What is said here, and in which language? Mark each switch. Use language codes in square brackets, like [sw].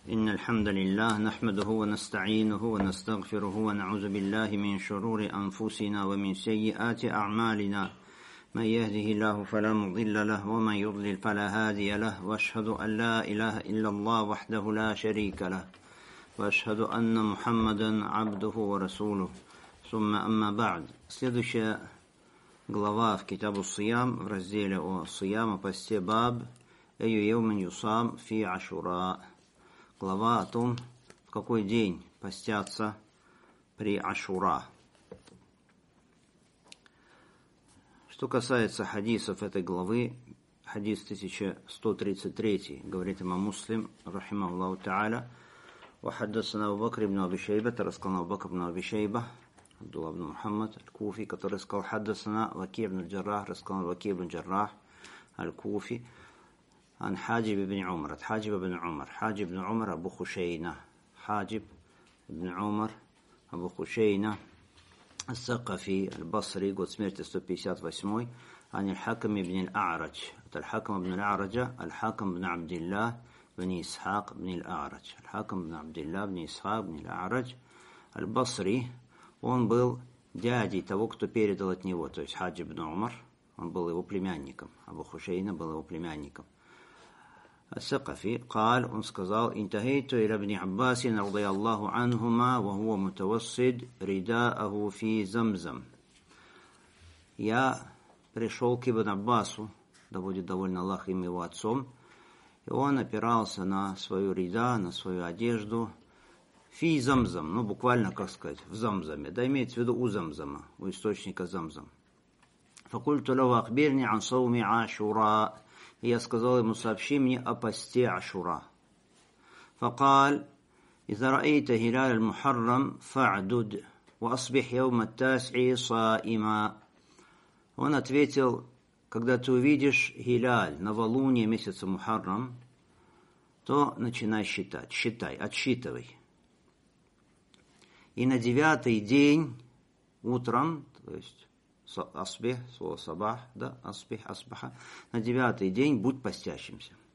[ar] إن الحمد لله نحمده ونستعينه ونستغفره ونعوذ بالله من شرور أنفسنا ومن سيئات أعمالنا من يهده الله فلا مضل له ومن يضلل فلا هادي له وأشهد أن لا إله إلا الله وحده لا شريك له وأشهد أن محمدا عبده ورسوله ثم أما بعد [ru] следующая глава в Китабу Сиям в разделе о Сиям о посте Баб [ar] أي يوم يصام في عاشوراء [ru] Глава о том, в какой день постятся при Ашура. Что касается хадисов этой главы, хадис 1133, говорит имам Муслим, рахимахуллаху тааля, «Ва хаддасана Абу Бакр ибн Аби Шайба, тарасканна Абу Бакр ибн Аби Шайба, Абдулла ибн Мухаммад, аль-Куфи, который сказал, хаддасана Ваки ибн Джаррах, расканна Ваки ибн Джаррах, аль-Куфи». [ar] عن حاجب بن عمر حاجب بن عمر حاجب بن عمر أبو خشينة حاجب بن عمر أبو خشينة الثقفي البصري قد سمرت 158 عن الحكم بن الأعرج الحكم بن الأعرج الحكم بن عبد الله بن إسحاق بن الأعرج الحكم بن عبد الله بن إسحاق بن الأعرج البصري [ru] он был дядей того, кто передал от него, то есть [ar] حاجب بن عمر [ru] он был его племянником, [ar] أبو خشينة [ru] был его племянником. [ar] الثقفي قال [ru] он сказал [ar] انتهيت الى ابن عباس رضي الله عنهما وهو متوسد رداءه في زمزم [ru] я пришёл к ибн Аббасу, да будет доволен Аллах им его отцом, и он опирался на свою рида, на свою одежду [ar] في زمزم, [ru] ну буквально как сказать, в Замзаме, да имеется в виду у Замзама, у источника Замзам. [ar] فقلت له اخبرني عن صوم عاشوراء. [ru] И я сказал ему, сообщи мне о посте Ашура. [ar] Факал, إذا رأيت هلال المحرم فعدد وأصبح يوم التاسع صائما. [ru] Он ответил, когда ты увидишь хилал, новолуние месяца Мухаррам, то начинай считать, считай, отсчитывай. И на девятый день утром, то есть, Асбих, слово сабах, да, асбих, асбаха, на девятый день будь постящимся.